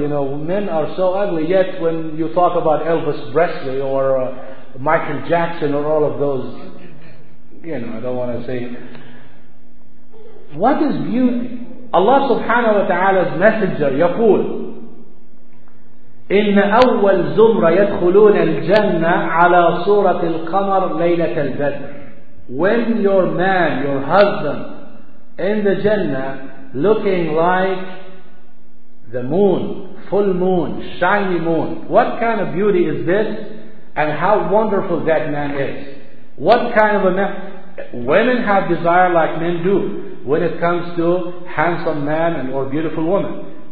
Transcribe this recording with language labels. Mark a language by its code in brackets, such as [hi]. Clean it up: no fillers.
[en] You know, men are so ugly. Yet when you talk about Elvis Presley or Michael Jackson or all of those, you know, I don't want to say. What is beauty? Allah Subhanahu wa Taala's Messenger يقول. [ar] إن أول زمرة يدخلون الجنة على صورة القمر ليلة البدر. [en] When your man, your husband, in the Jannah, looking like the moon, full moon, shiny moon. What kind of beauty is this? And how wonderful that man is. What kind of a man? Women have desire like men do when it comes to handsome man and or beautiful woman.